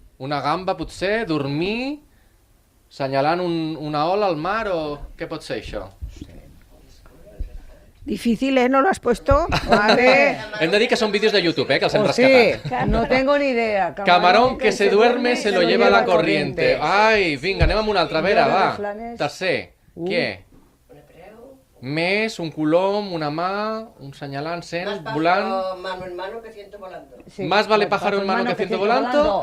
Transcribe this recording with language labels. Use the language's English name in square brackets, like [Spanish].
[Catalan] Una gamba potser, dormir, senyalant una ola al mar o què pot ser això? [Spanish] Difícil, ¿eh? ¿No lo has puesto? Vale. [Catalan] Hem de dir que són vídeos de YouTube, que els hem rescatat. [Spanish] Sí, no tengo ni idea. Camarón que se duerme se lo lleva la corriente. [Catalan] Ai, vinga, anem amb una altra, vera, va. Tercer, què? Més, un colom, una mà, un senyalant, sent, volant. [Spanish] Más pájaro mano en mano que siento volando. Más vale pájaro en mano que siento volando.